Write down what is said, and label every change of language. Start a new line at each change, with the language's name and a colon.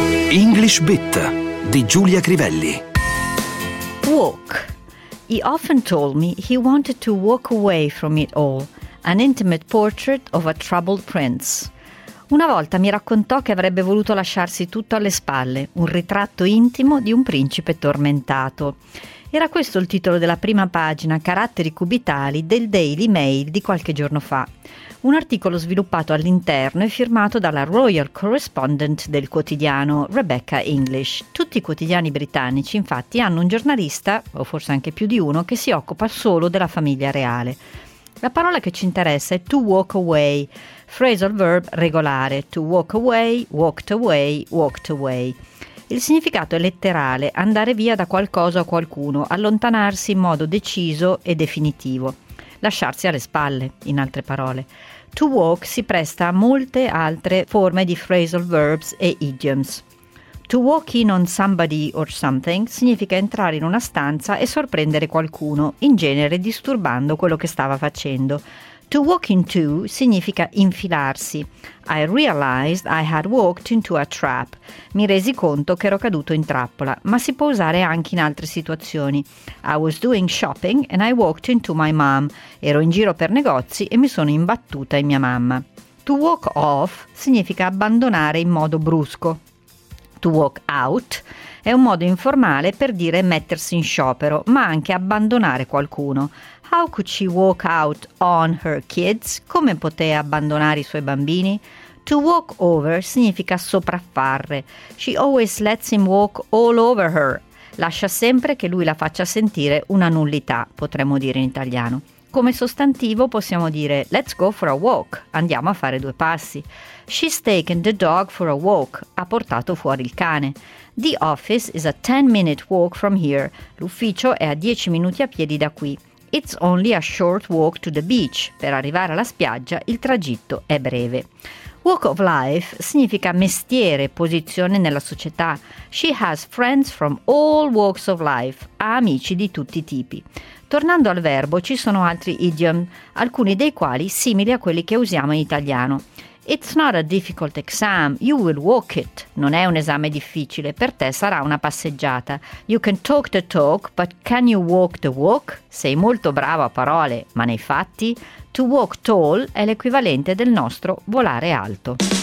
Italian: English Bit di Giulia Crivelli.
English: Walk. He often told me he wanted to walk away from it all, an intimate portrait of a troubled prince.
Italian: Una volta mi raccontò che avrebbe voluto lasciarsi tutto alle spalle, un ritratto intimo di un principe tormentato. Era questo il titolo della prima pagina, caratteri cubitali, del Daily Mail di qualche giorno fa. Un articolo sviluppato all'interno e firmato dalla Royal Correspondent del quotidiano, Rebecca English. Tutti i quotidiani britannici, infatti, hanno un giornalista, o forse anche più di uno, che si occupa solo della famiglia reale. La parola che ci interessa è to walk away, phrasal verb regolare, to walk away, walked away, walked away. Il significato è letterale, andare via da qualcosa o qualcuno, allontanarsi in modo deciso e definitivo. Lasciarsi alle spalle, in altre parole. To walk si presta a molte altre forme di phrasal verbs e idioms.
English: To walk in on somebody or something
Italian: significa entrare in una stanza e sorprendere qualcuno, in genere disturbando quello che stava facendo. To walk into significa infilarsi.
English: I realized I had walked into a trap.
Italian: Mi resi conto che ero caduto in trappola, ma si può usare anche in altre situazioni.
English: I was doing shopping and I walked into my mom.
Italian: Ero in giro per negozi e mi sono imbattuta in mia mamma. To walk off significa abbandonare in modo brusco. To walk out è un modo informale per dire mettersi in sciopero, ma anche abbandonare qualcuno.
English: How could she walk out on her kids?
Italian: Come poteva abbandonare i suoi bambini? To walk over significa sopraffare.
English: She always lets him walk all over her.
Italian: Lascia sempre che lui la faccia sentire una nullità, potremmo dire in italiano. Come sostantivo possiamo dire
English: let's go for a walk,
Italian: andiamo a fare due passi.
English: She's taken the dog for a walk,
Italian: ha portato fuori il cane.
English: The office is a 10-minute walk from here,
Italian: l'ufficio è a 10 minuti a piedi da qui.
English: It's only a short walk to the beach,
Italian: per arrivare alla spiaggia il tragitto è breve. Walk of life significa mestiere, posizione nella società.
English: She has friends from all walks of life,
Italian: ha amici di tutti i tipi. Tornando al verbo, ci sono altri idiom, alcuni dei quali simili a quelli che usiamo in italiano.
English: It's not a difficult exam, you will walk it.
Italian: Non è un esame difficile, per te sarà una passeggiata.
English: You can talk the talk, but can you walk the walk?
Italian: Sei molto bravo a parole, ma nei fatti?
English: To walk tall
Italian: è l'equivalente del nostro volare alto.